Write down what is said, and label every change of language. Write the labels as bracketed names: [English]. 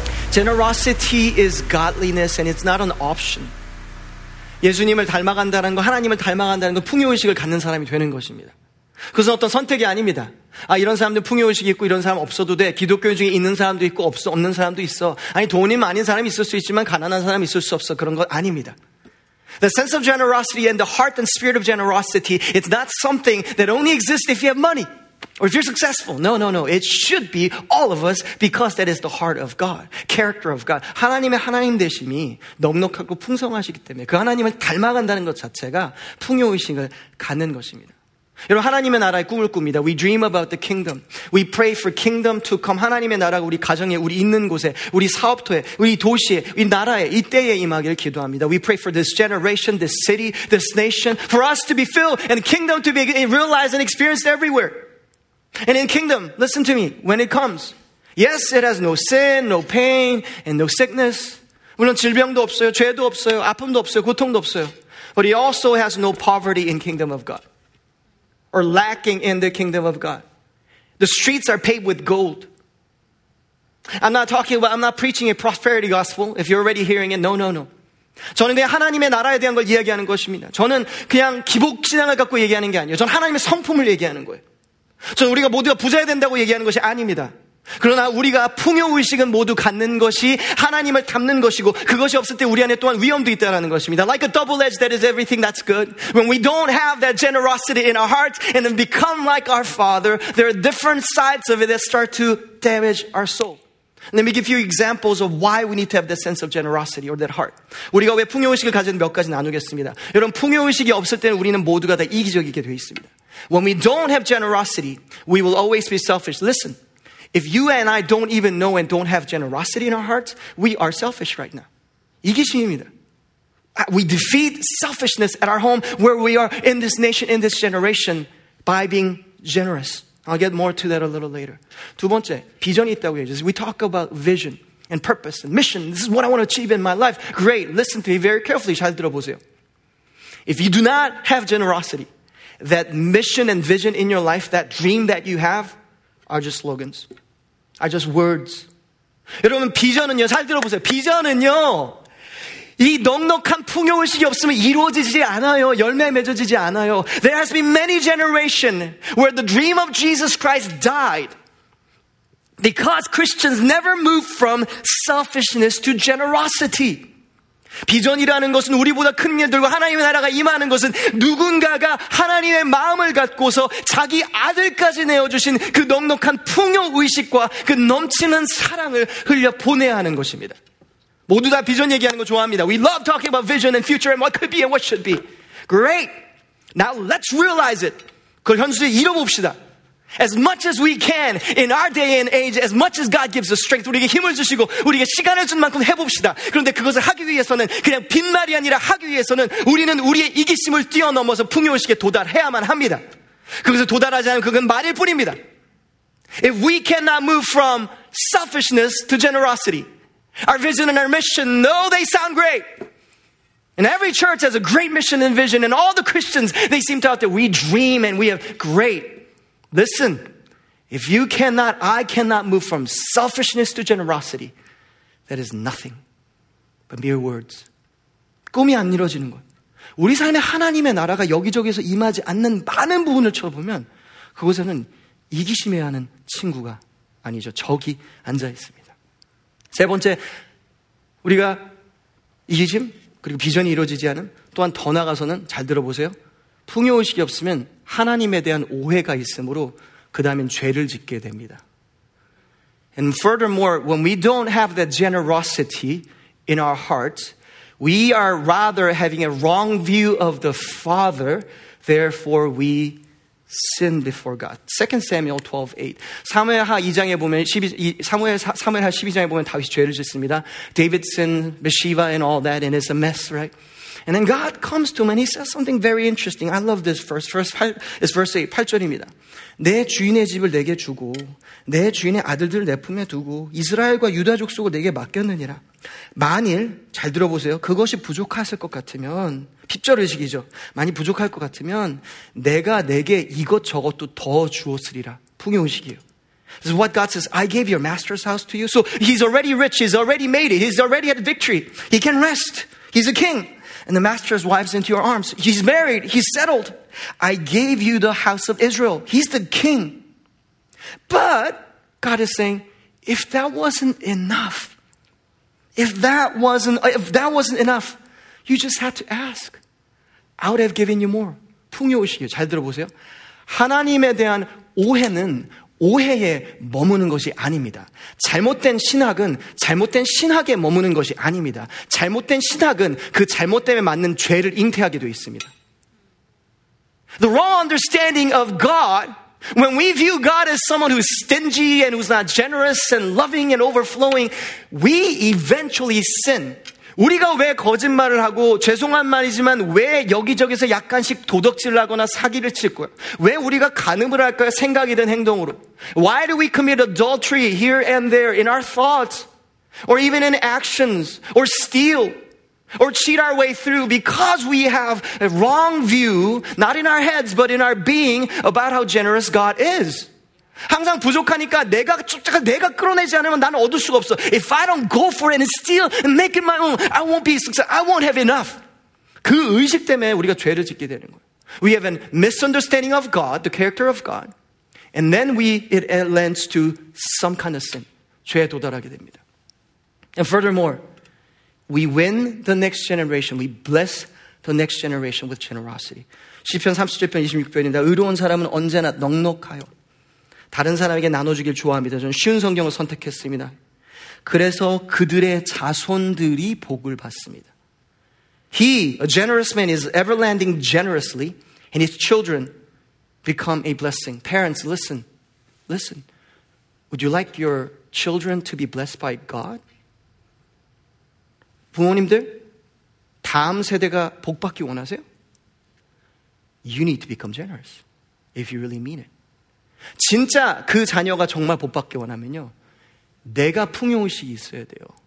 [English] Generosity is godliness and it's not an option. [Korean] 예수님을 닮아간다는 거, 하나님을 닮아간다는 거, 풍요의식을 갖는 사람이 되는 것입니다. 그것은 어떤 선택이 아닙니다. 아, 이런 사람들 풍요의식 있고 이런 사람 없어도 돼. 기독교 중에 있는 사람도 있고 없는 사람도 있어. 아니, 돈이 많은 사람이 있을 수 있지만 가난한 사람이 있을 수 없어. 그런 건 아닙니다. [English] The sense of generosity and the heart and spirit of generosity, it's not something that only exists if you have money. Or if you're successful. No, no, no. It should be all of us because that is the heart of God. Character of God. [Korean] 하나님의 하나님 되심이 넉넉하고 풍성하시기 때문에 그 하나님을 닮아간다는 것 자체가 풍요의식을 갖는 것입니다. 여러분, 하나님의 나라의 꿈을 꿉니다. [English] We dream about the kingdom. We pray for kingdom to come. [Korean] 하나님의 나라가 우리 가정에, 우리 있는 곳에, 우리 사업터에, 우리 도시에, 우리 나라에, 이 때에 임하기를 기도합니다. [English] We pray for this generation, this city, this nation, for us to be filled and kingdom to be realized and experienced everywhere. And in kingdom, listen to me, when it comes, yes, it has no sin, no pain, and no sickness. [Korean] 물론 질병도 없어요, 죄도 없어요, 아픔도 없어요, 고통도 없어요. [English] But it also has no poverty in kingdom of God. Or lacking in the kingdom of God. The streets are paved with gold. I'm not preaching a prosperity gospel, if you're already hearing it, no, no, no. [Korean] 저는 그냥 하나님의 나라에 대한 걸 이야기하는 것입니다. 저는 그냥 기복신앙을 갖고 얘기하는 게 아니에요. 저는 하나님의 성품을 얘기하는 거예요. 저는 우리가 모두가 부자야 된다고 얘기하는 것이 아닙니다. 그러나 우리가 풍요의식은 모두 갖는 것이 하나님을 닮는 것이고 그것이 없을 때 우리 안에 또한 위험도 있다는 것입니다. [English] Like a double edge that is everything that's good. When we don't have that generosity in our hearts and then become like our father, there are different sides of it that start to damage our soul. Let me give you examples of why we need to have that sense of generosity or that heart. [Korean] 우리가 왜 풍요의식을 가지는지 몇 가지 나누겠습니다. 여러분, 풍요의식이 없을 때는 우리는 모두가 다 이기적이게 되어 있습니다. [English] When we don't have generosity, we will always be selfish. Listen, if you and I don't even know and don't have generosity in our hearts, we are selfish right now. [Korean] 이기심입니다. [English] We defeat selfishness at our home where we are in this nation, in this generation, by being generous. I'll get more to that a little later. [Korean] 두 번째, 비전이 있다고 해요. [English] We talk about vision and purpose and mission. This is what I want to achieve in my life. Great. Listen to me very carefully. [Korean] 잘 들어보세요. [English] If you do not have generosity, that mission and vision in your life, that dream that you have, are just slogans. Are just words. [Korean] 여러분, 비전은요. 잘 들어보세요. 비전은요. 이 넉넉한 풍요의식이 없으면 이루어지지 않아요. 열매 맺어지지 않아요. [English] There has been many generations where the dream of Jesus Christ died because Christians never moved from selfishness to generosity. [Korean] 비전이라는 것은 우리보다 큰 일들과 하나님의 나라가 임하는 것은 누군가가 하나님의 마음을 갖고서 자기 아들까지 내어주신 그 넉넉한 풍요의식과 그 넘치는 사랑을 흘려보내야 하는 것입니다. 모두 다 비전 얘기하는 거 좋아합니다. [English] We love talking about vision and future and what could be and what should be. Great. Now let's realize it. [Korean] 그걸 현실에 이뤄봅시다. [English] As much as we can in our day and age, as much as God gives us strength, [Korean] 우리에게 힘을 주시고 우리에게 시간을 준 만큼 해봅시다. 그런데 그것을 하기 위해서는 그냥 빈말이 아니라 하기 위해서는 우리는 우리의 이기심을 뛰어넘어서 풍요의식에 도달해야만 합니다. 그것을 도달하지 않으면 그건 말일 뿐입니다. [English] If we cannot move from selfishness to generosity, our vision and our mission, no, they sound great. And every church has a great mission and vision, and all the Christians, they seem to out there, we dream and we have great. Listen, if you cannot, I cannot move from selfishness to generosity, that is nothing but mere words. [Korean] 꿈이 안 이루어지는 것. 우리 삶에 하나님의 나라가 여기저기서 임하지 않는 많은 부분을 쳐보면 그곳에는 이기심해야 하는 친구가 아니죠. 적이 앉아있습니다. 세 번째, 우리가 이기심, 그리고 비전이 이루어지지 않은, 또한 더 나아가서는, 잘 들어보세요. 풍요의식이 없으면 하나님에 대한 오해가 있으므로 그 다음엔 죄를 짓게 됩니다. [English] And furthermore, when we don't have that generosity in our hearts, we are rather having a wrong view of the Father, therefore we sin before God. 2 Samuel 12:8. [Korean] 사무엘하 12장에 보면 다윗이 죄를 짓습니다. [English] David sinned, Bathsheba and all that, and it's a mess, right? And then God comes to him and he says something very interesting. I love this verse. Verse 8, [Korean] 8절입니다. 내 주인의 집을 내게 주고 내 주인의 아들들을 내 품에 두고 이스라엘과 유다 족속을 내게 맡겼느니라. 만일, 잘 들어보세요. 그것이 부족하실 것 같으면, 핍절의식이죠. 많이 부족할 것 같으면 내가 내게 이것저것도 더 주었으리라. 풍요의식이에요. [English] This is what God says. I gave your master's house to you. So he's already rich. He's already made it. He's already had victory. He can rest. He's a king. And the master's wife's into your arms. He's married. He's settled. I gave you the house of Israel. He's the king. But God is saying, if that wasn't enough, if that wasn't enough, you just had to ask. I would have given you more. [Korean] 풍요의식이에요. 잘 들어보세요. 하나님에 대한 오해는 오해에 머무는 것이 아닙니다. 잘못된 신학은 잘못된 신학에 머무는 것이 아닙니다. 잘못된 신학은 그 잘못됨에 맞는 죄를 잉태하게 되어 있습니다. [English] The wrong understanding of God, when we view God as someone who's stingy and who's not generous and loving and overflowing, we eventually sin. [Korean] 우리가 왜 거짓말을 하고, 죄송한 말이지만 왜 여기저기서 약간씩 도덕질을 하거나 사기를 칠까요? 왜 우리가 간음을 할까요? 생각이 든 행동으로. [English] Why do we commit adultery here and there in our thoughts? Or even in actions? Or steal? Or cheat our way through? Because we have a wrong view, not in our heads, but in our being, about how generous God is. [Korean] 항상 부족하니까 내가 쫓아가 내가 끌어내지 않으면 나는 얻을 수가 없어. [English] If I don't go for it and steal and make it my own, I won't be successful. I won't have enough. [Korean] 그 의식 때문에 우리가 죄를 짓게 되는 거예요. [English] We have a misunderstanding of God, the character of God, and then it lends to some kind of sin. [Korean] 죄에 도달하게 됩니다. [English] And furthermore, we win the next generation. We bless the next generation with generosity. [Korean] 시편 37편 26절입니다. 의로운 사람은 언제나 넉넉하여 다른 사람에게 나눠주길 좋아합니다. 저는 쉬운 성경을 선택했습니다. 그래서 그들의 자손들이 복을 받습니다. [English] He, a generous man, is ever lending generously, and his children become a blessing. Parents, listen. Listen. Would you like your children to be blessed by God? [Korean] 부모님들, 다음 세대가 복받기 원하세요? [English] You need to become generous, if you really mean it. [Korean] 진짜 그 자녀가 정말 복받기 원하면요, 내가 풍요의식이 있어야 돼요.